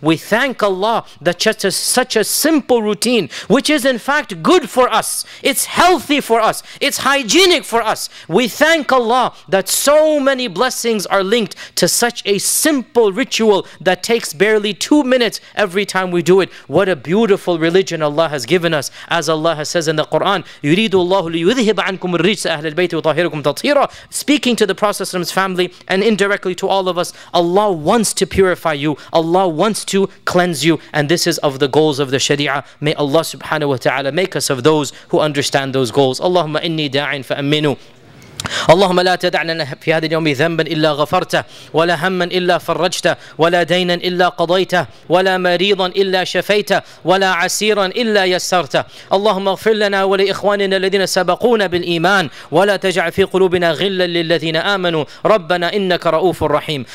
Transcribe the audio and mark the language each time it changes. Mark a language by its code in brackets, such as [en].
[en] We thank Allah that such a simple routine, which is in fact good for us, it's healthy for us, it's hygienic for us. We thank Allah that so many blessings are linked to such a simple ritual that takes barely 2 minutes every time we do it. What a beautiful religion Allah has given us. As Allah has says in the Quran, [ar] يُرِيدُ اللَّهُ لِيُذْهِبَ عَنْكُمُ الرِّجْسَ أَهْلِ الْبَيْتِ وَطَهِرُكُمْ تَطْهِيرًا. [en] Speaking to the Prophet's family and indirectly to all of us, Allah wants to purify you. Allah wants to cleanse you. And this is of the goals of the Sharia. May Allah subhanahu wa ta'ala make us of those who understand those goals. [ar] اللهم إني داعٍ فأمنوا. اللهم لا تدع لنا في هذا اليوم ذنبا إلا غفرته، ولا هما إلا فرجته، ولا دينا إلا قضيته، ولا مريضا إلا شفيته، ولا عسيرا إلا يسرته. اللهم اغفر لنا ولإخواننا الذين سبقونا بالإيمان، ولا تجعل في قلوبنا غلا للذين آمنوا، ربنا إنك رؤوف رحيم.